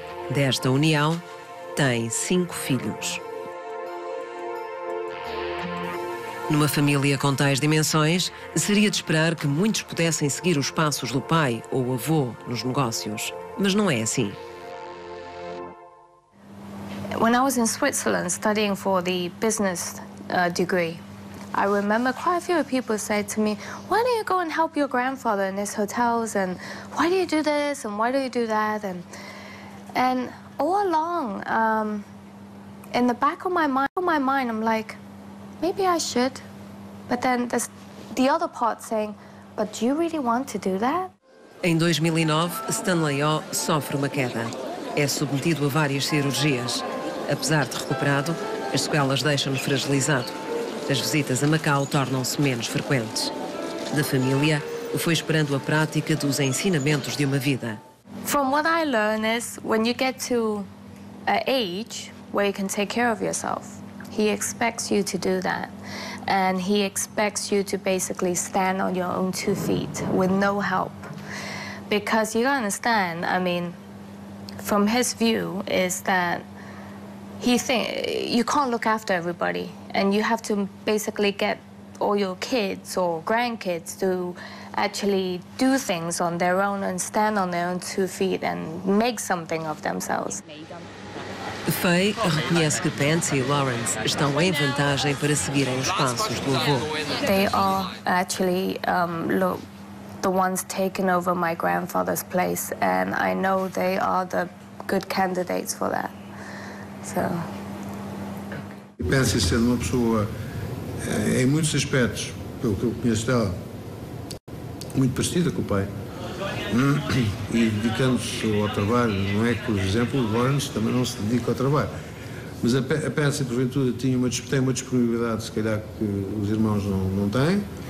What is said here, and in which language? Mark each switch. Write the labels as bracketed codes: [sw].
[pt] Desta união, tem cinco filhos. Numa família com tais dimensões, seria de esperar que muitos pudessem seguir os passos do pai ou avô nos negócios. Mas não é assim. [en] When I was in Switzerland studying for the business degree, I remember quite a few people said to me, why don't you go and help your grandfather in his hotels, and why do you do this, and why do you do that? And And all along, in the back of my mind, I'm like, maybe I should. But then there's the other part saying, but do you really want to do that? [pt] Em 2009, Stanley Ho sofre uma queda. É submetido a várias cirurgias. Apesar de recuperado, as sequelas deixam-no fragilizado. As visitas a Macau tornam-se menos frequentes. Da família, foi esperando a prática dos ensinamentos de uma vida. [en] From what I learned is, when you get to an age where you can take care of yourself, he expects you to do that. And he expects you to basically stand on your own two feet with no help. Because you gotta understand, I mean, from his view is that he thinks you can't look after everybody and you have to basically get all your kids or grandkids to actually do things on their own and stand on their own two feet and make something of themselves. [pt] Faye reconhece que Pansy e Lawrence estão em vantagem para seguirem os passos do avô. [en] They are actually the ones taking over my grandfather's place and I know they are the good candidates for that. So. [pt] Pansy sendo uma pessoa em muitos aspectos, pelo que eu conheço dela, muito parecida com o pai. E dedicando-se ao trabalho, não é que, por exemplo, o Lawrence também não se dedica ao trabalho. Mas a Pansy, porventura, tem uma disponibilidade, se calhar, que os irmãos não têm.